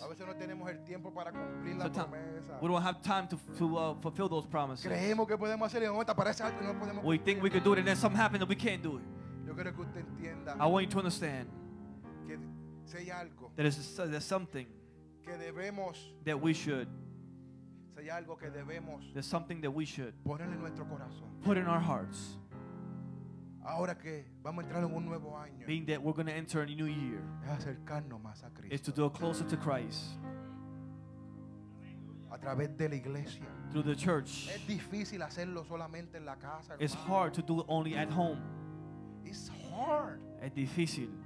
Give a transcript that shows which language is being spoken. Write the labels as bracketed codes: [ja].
[es] A veces no tenemos el tiempo para cumplir la promesa. [en] We don't have time to fulfill those promises. [es] Creemos que podemos hacer en momento aparece algo y no podemos. [en] We think we could do it and then something happened and we can't do it. [es] Yo quiero que usted entienda. [en] I want you to understand. [es] Que sea algo. [en] There's something. [es] Que debemos. [en] That we should. [es] Sea algo que debemos. [en] There's something that we should. [es] Poner en nuestro corazón. [en] Put in our hearts. [es] Ahora que vamos a entrar en un nuevo año. [en] Being that we're going to enter a new year. [es] Es acercarnos más a Cristo. [en] Is to draw closer to Christ. [es] A través de la iglesia. [en] Through the church. [es] Es difícil hacerlo solamente en la casa. [en] It's hard to do it only at home. It's hard. [es] Es difícil.